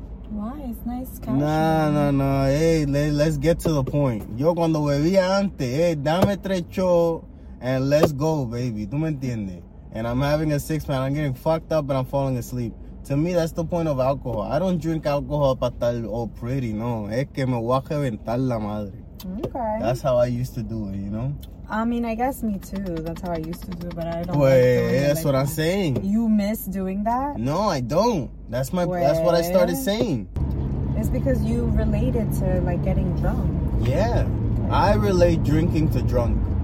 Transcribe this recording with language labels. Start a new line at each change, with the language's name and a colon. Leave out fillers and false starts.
English: Why? It's nice casual. Nah. Hey, let's get to the point.
Spanish: Yo cuando bebía antes,
English: hey,
Spanish: dame trecho
English: and let's go, baby.
Spanish: Tú me entiendes?
English: And I'm having a six-pack. I'm getting fucked up and I'm falling asleep. To me, that's the point of alcohol. I don't drink alcohol
Spanish: para estar
English: all pretty, no.
Spanish: Es que me voy a reventar la madre.
English: Okay. That's how I used to do it, you know? I mean, I guess me too. That's how I used to do it, but I don't I'm saying. You miss doing that? No, I don't. That's what I started saying. It's because you related to, like, getting drunk. Yeah. Okay. I relate drinking to drunk.